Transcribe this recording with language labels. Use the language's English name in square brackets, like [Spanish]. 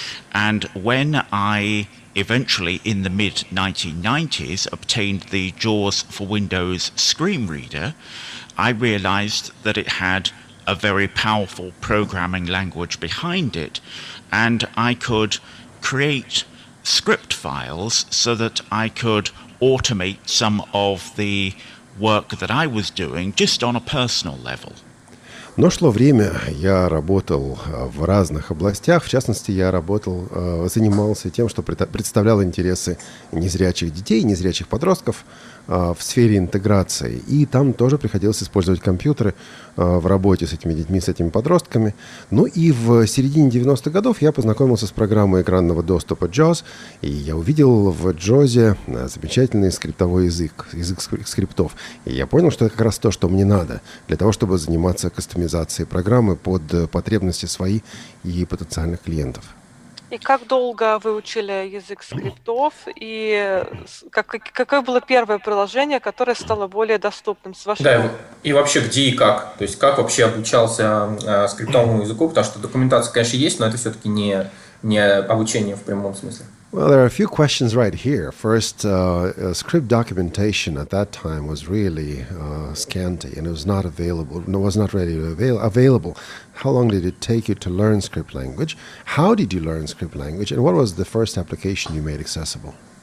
[English] And when I eventually, in the mid-1990s, obtained the JAWS for Windows screen reader, I realized that it had a very powerful programming language behind it, and I could create script files so that I could automate some of the work that I was doing just on a personal level. [Russian] Но шло время, я работал в разных областях. В частности, я работал, занимался тем, что представлял интересы незрячих детей, незрячих подростков в сфере интеграции. И там тоже приходилось использовать компьютеры в работе с этими детьми, с этими подростками. Ну и в середине 90-х годов я познакомился с программой экранного доступа JAWS, и я увидел в JAWS замечательный скриптовый язык, язык скриптов. И я понял, что это как раз то, что мне надо для того, чтобы заниматься кастомизацией программы под потребности свои и потенциальных клиентов. И как долго вы учили язык скриптов, и какое было первое приложение, которое стало более доступным с вашей... Да, и вообще где и как? То есть как вообще обучался скриптовому языку? Потому что документация, конечно, есть, но это все-таки не обучение в прямом смысле. [English] Well, there are a few questions right here. First, script documentation at that time was really scanty, and it was not available. No, was not readily available. How long did it take you to learn script language? How did you learn script language? And what was the first application you made accessible?